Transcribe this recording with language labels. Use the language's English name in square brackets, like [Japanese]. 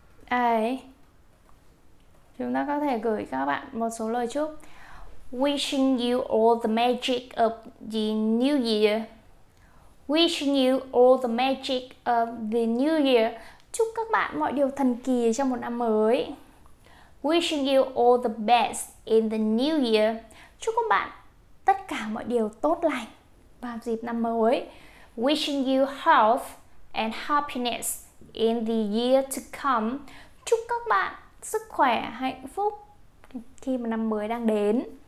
[Vietnamese] Đấy, chúng ta có thể gửi các bạn một số lời chúc. [English] Wishing you all the magic of the new year. Wishing you all the magic of the new year. [Vietnamese] Chúc các bạn mọi điều thần kỳ trong một năm mới. [English] Wishing you all the best in the new year. [Vietnamese] Chúc các bạn tất cả mọi điều tốt lành vào dịp năm mới. [English] Wishing you health and happiness in the year to come. [Vietnamese] Chúc các bạn sức khỏe, hạnh phúc khi mà năm mới đang đến.